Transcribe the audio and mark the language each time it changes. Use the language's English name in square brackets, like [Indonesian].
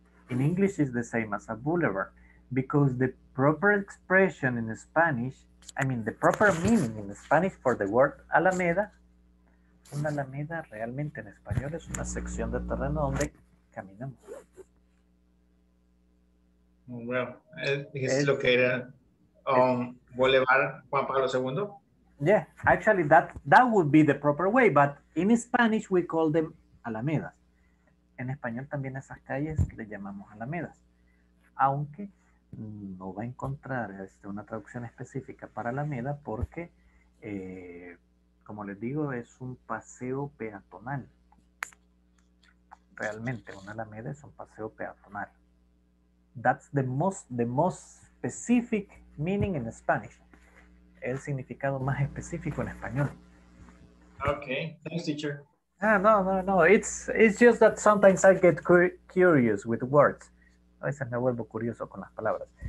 [English] In English is the same as a boulevard, because the proper expression in Spanish, I mean, the proper meaning in Spanish for the word Alameda, [Spanish] una Alameda realmente en español es una sección de terreno donde caminamos. [English] Well, it's located on Boulevard Juan Pablo II. Yeah, actually that would be the proper way, but in Spanish we call them Alamedas. [Spanish] En español también esas calles le llamamos Alamedas. Aunque no va a encontrar una traducción específica para Alameda porque, como les digo, es un paseo peatonal. Realmente, una Alameda es un paseo peatonal. [English] That's the most specific meaning in Spanish. [Spanish] El significado más específico en español. [English] Okay, thanks, teacher. No. It's just that sometimes I get curious with words. [Spanish] A veces me vuelvo curioso con las palabras.